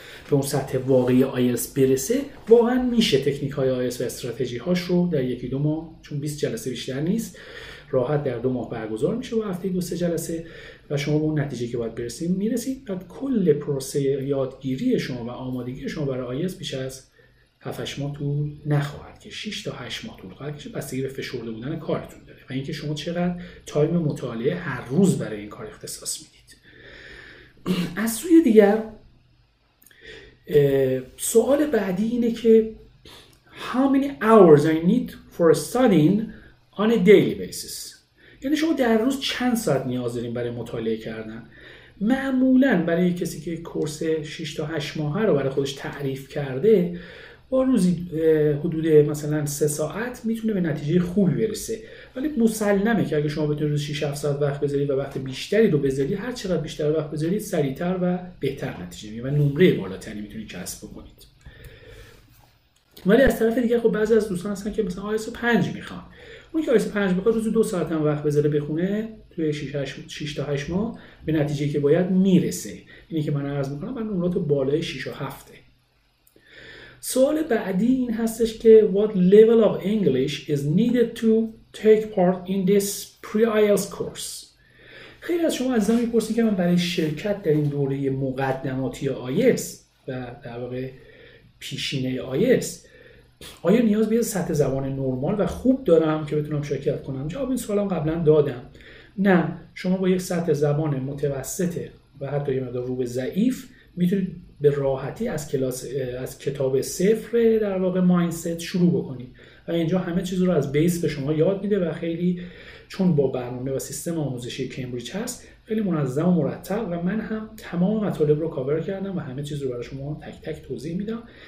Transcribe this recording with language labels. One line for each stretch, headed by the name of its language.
Persian: به اون سطح واقعی آیلتس برسه واقعا میشه تکنیک‌های آیلتس و استراتژی‌هاش رو در 1-2 ماه، چون 20 جلسه بیشتر نیست، راحت در 2 ماه برگزار میشه و هفته 2-3 جلسه و شما به اون نتیجه که باید برسید میرسید و کل پروسه یادگیری شما و آمادگی شما برای آیلتس بیش از 7-8 ماه طول نخواهد که 6-8 ماه طول خواهد کشید، بستگی به فشرده بودن کارتون داره و اینکه شما چقدر تایم مطالعه هر روز برای این کار اختصاص میدید. از سوی دیگر سوال بعدی اینه که
English: how many hours I need for studying on a daily basis.
Persian: یعنی شما در روز چند ساعت نیاز داریم برای مطالعه کردن؟ معمولا برای کسی که کورس 6-8 ماه رو برای خودش تعریف کرده با روزی حدود مثلا 3 ساعت میتونه به نتیجه خوبی برسه، ولی مسلمه که اگه شما بتونید روز 6-7 ساعت وقت بذارید و وقت بیشتری رو بذارید، هر چقدر بیشتر وقت بذارید سریعتر و بهتر نتیجه میگیرید و نمره بالاتری میتونید کسب بکنید. ولی از طرف دیگه خب بعضی از دوستان هستن که مثلا آیلتس 5 میخوان. اون که آیلتس 5 بخواد روزی 2 ساعت هم وقت بذاره بخونه توی 6-8 ماه به نتیجه که باید میرسه. اینی که من عرض میکنم من نمرات بالای 6-7. سوال بعدی این هستش که
English: what level of English is needed to take part in this pre-IELTS course.
Persian: خیلی از شما از من میپرسید که من برای شرکت در این دوره مقدماتی IELTS و در واقع پیشینه IELTS آیا نیاز به سطح زبان نرمال و خوب دارم که بتونم شرکت کنم؟ جواب این سوالم قبلا دادم نه شما با یک سطح زبان متوسط و حتی یه مقدار رو به ضعیف میتونید به راحتی از کلاس از کتاب صفر در واقع مایندست شروع بکنید و اینجا همه چیز رو از بیس به شما یاد میده و خیلی چون با برنامه و سیستم آموزشی کمبریج هست خیلی منظم و مرتب و من هم تمام مطالب رو کاور کردم و همه چیز رو برای شما تک تک توضیح میدم.